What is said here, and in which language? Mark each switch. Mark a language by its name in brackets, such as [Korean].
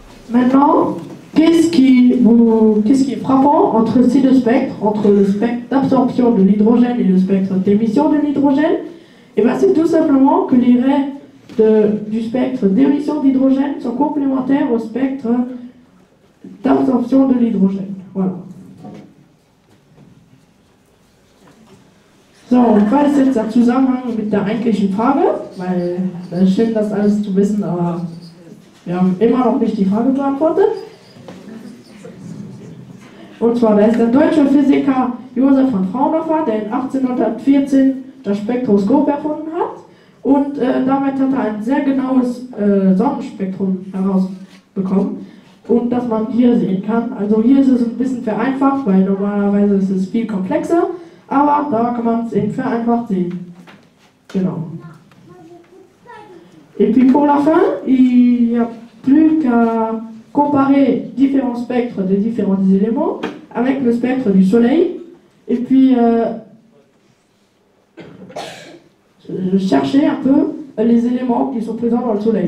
[French] Maintenant, qu'est-ce qui est frappant entre ces deux spectres, entre le spectre d'absorption de l'hydrogène et le spectre d'émission de l'hydrogène? Et bien c'est tout simplement que les raies du spectre d'émission d'hydrogène sont complémentaires au spectre d'absorption de l'hydrogène. Voilà. [German] So, was ist jetzt der Zusammenhang mit der eigentlichen Frage? Weil es ist schön, das alles zu wissen, aber wir haben immer noch nicht die Frage beantwortet. Und zwar, da ist der deutsche Physiker Josef von Fraunhofer, der in 1814 das Spektroskop erfunden hat und damit hat er ein sehr genaues Sonnenspektrum herausbekommen und das man hier sehen kann. Also hier ist es ein bisschen vereinfacht, weil normalerweise ist es viel komplexer, aber da kann man es eben vereinfacht sehen. Genau. [French] Et puis pour la fin, il n'y a plus qu'à comparer différents spectres des différents éléments avec le spectre du Soleil. Et puis, chercher un peu les éléments qui sont présents dans le Soleil.